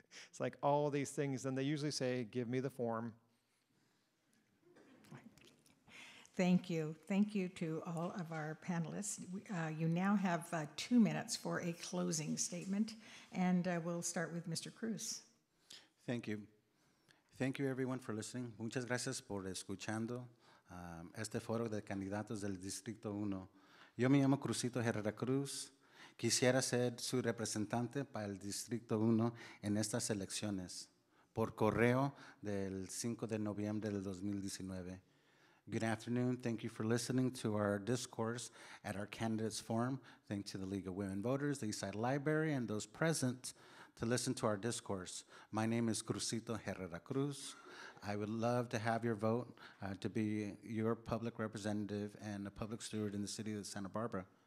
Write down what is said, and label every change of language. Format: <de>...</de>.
<en>It's like all of these things, and they usually say, give me the form. Thank you. Thank you to all of our panelists. You now have 2 minutes for a closing statement, and we'll start with Mr. Cruz. Thank you. Thank you, everyone, for listening.</en> <es>Muchas gracias por escuchando este foro de candidatos del Distrito 1. Yo me llamo Cruzito Herrera Cruz. Quisiera ser su representante para el Distrito 1 en estas elecciones por correo del 5 de noviembre del 2019.</es> <en>Good afternoon. Thank you for listening to our discourse at our candidates forum. Thanks to the League of Women Voters, the Eastside Library, and those present to listen to our discourse. My name is Cruzito Herrera Cruz. I would love to have your vote to be your public representative and a public steward in the city of Santa Barbara.</en>